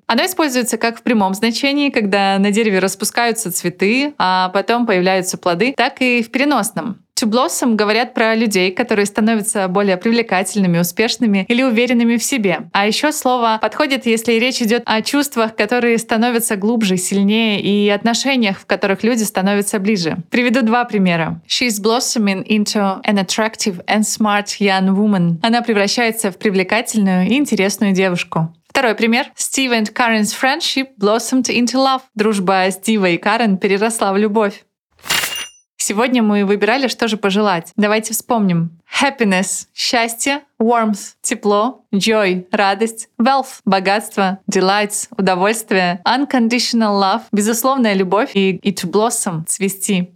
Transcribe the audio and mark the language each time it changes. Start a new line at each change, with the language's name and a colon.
Russian: Оно используется как в прямом значении, когда на дереве распускаются цветы, а потом появляются плоды, так и в переносном. To blossom говорят про людей, которые становятся более привлекательными, успешными или уверенными в себе. А еще слово подходит, если речь идет о чувствах, которые становятся глубже, сильнее, и отношениях, в которых люди становятся ближе. Приведу два примера.
English: She's blossoming into an attractive and smart young woman.
Russian: Она превращается в привлекательную и интересную девушку. Второй пример.
English: Steve and Karen's friendship blossomed into love.
Russian: Дружба Стива и Карен переросла в любовь. Сегодня мы выбирали, что же пожелать. Давайте вспомним. Happiness – счастье, warmth – тепло, joy – радость, wealth – богатство, delights – удовольствие, unconditional love – безусловная любовь и to blossom – цвести.